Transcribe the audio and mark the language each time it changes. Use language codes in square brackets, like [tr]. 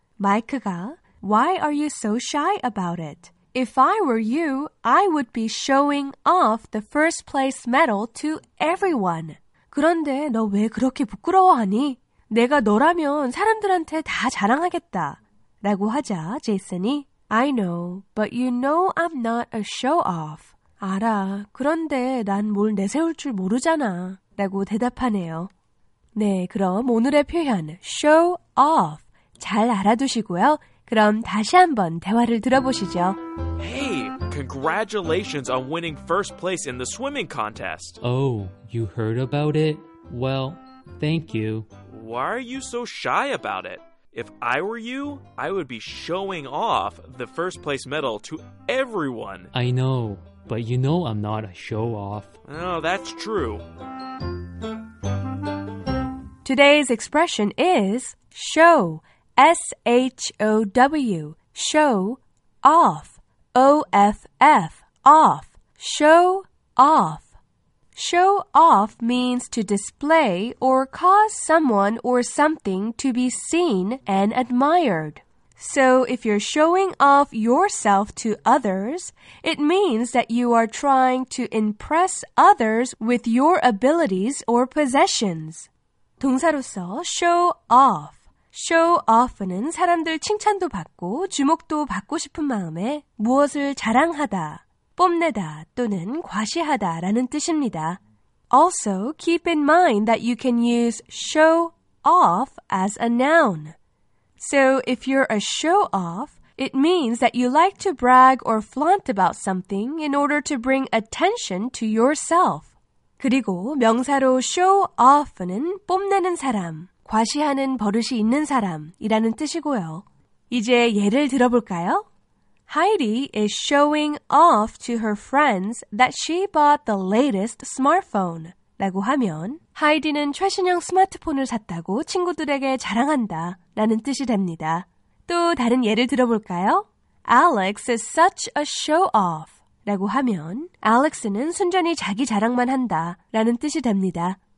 [ko] 마이크가 [en] Why are you so shy about it? If I were you, I would be showing off the first place medal to everyone. [ko] 그런데 너 왜 그렇게 부끄러워하니? 내가 너라면 사람들한테 다 자랑하겠다. 라고 하자 제이슨이 [en] I know, but you know I'm not a show-off. [ko] 알아, 그런데 난 뭘 내세울 줄 모르잖아. 라고 대답하네요. 네, 그럼 오늘의 표현 show-off 잘 알아두시고요. 그럼 다시 한번 대화를 들어보시죠. [en] Hey, congratulations on winning first place in the swimming contest. Oh, you heard about it? Well, thank you. Why are you so shy about it? If I were you, I would be showing off the first place medal to everyone. I know, but you know I'm not a show-off. Oh, that's true. Today's expression is show. S-H-O-W, show off, O-F-F, off, show off. Show off means to display or cause someone or something to be seen and admired. So if you're showing off yourself to others, it means that you are trying to impress others with your abilities or possessions. [ko] 동사로서 show off. Show off는 사람들 칭찬도 받고 주목도 받고 싶은 마음에 무엇을 자랑하다, 뽐내다 또는 과시하다 라는 뜻입니다. [en] Also, keep in mind that you can use show off as a noun. So, if you're a show off, it means that you like to brag or flaunt about something in order to bring attention to yourself. [ko] 그리고 명사로 show off는 뽐내는 사람, 과시하는 버릇이 있는 사람이라는 뜻이고요. 이제 예를 들어볼까요? [en] Heidi is showing off to her friends that she bought the latest smartphone. [ko] 라고 하면 Heidi는 최신형 스마트폰을 샀다고 친구들에게 자랑한다 라는 뜻이 됩니다. 또 다른 예를 들어볼까요? [en] Alex is such a show-off. [ko] 라고 하면 Alex는 순전히 자기 자랑만 한다 라는 뜻이 됩니다.